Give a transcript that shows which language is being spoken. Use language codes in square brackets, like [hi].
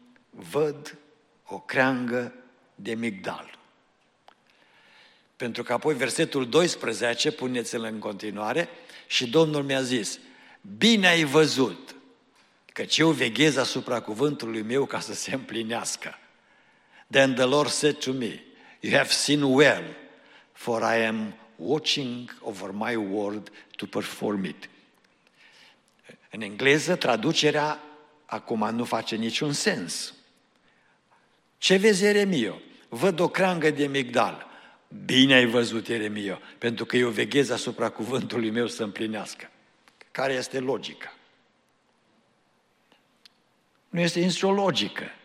[ro] Văd o creangă de migdal. Pentru că apoi versetul 12, puneți-l în continuare, și Domnul mi-a zis, bine ai văzut, căci eu veghez asupra cuvântului meu ca să se împlinească. [en] Then the Lord said to me, you have seen well, for I am watching over my word to perform it. [ro] În engleză, traducerea acum nu face niciun sens. Ce vezi, Ieremia? Văd o creangă de migdal. Bine ai văzut, Ieremia, pentru că eu veghez asupra cuvântului meu să împlinească. Care este logica? Nu este nicio logică.